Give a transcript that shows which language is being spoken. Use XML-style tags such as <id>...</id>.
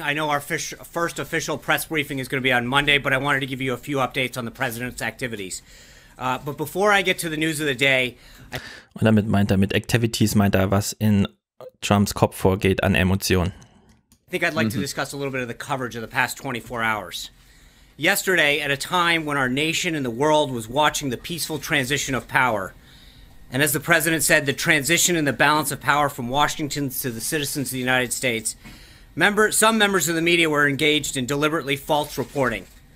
<en>I know our first official press briefing is going to be on Monday, but I wanted to give you a few updates on the president's activities. But before I get to the news of the day,</en> <de>Und damit meint er, mit Activities meint er, was in Trumps Kopf vorgeht an Emotionen.</de> <en>I think I'd like to discuss a little bit of the coverage of the past 24 hours. Yesterday, at a time when our nation and the world was watching the peaceful transition of power, and as the president said, the transition in the balance of power from Washington to the citizens of the United States, some members of the media were engaged in deliberately false reporting.</en>